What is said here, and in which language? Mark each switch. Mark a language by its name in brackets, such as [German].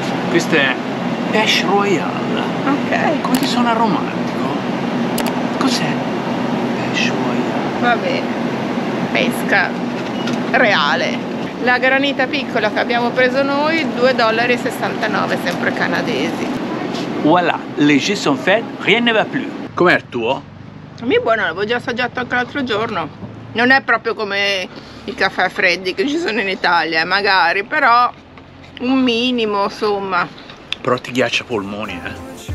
[Italian] Questo è Pêche Royale. Ok. Quanti suona romantico? Cos'è Pêche Royale? Va bene. Pesca reale. La granita piccola che abbiamo preso noi, $2.69, sempre canadesi. [French] Voilà, les jets sont faits, rien ne va plus. [Italian] Com'è il tuo? A me è buono, l'avevo già assaggiato anche l'altro giorno. Non è proprio come i caffè freddi che ci sono in Italia, magari, però un minimo, insomma. Però ti ghiaccia i polmoni, eh.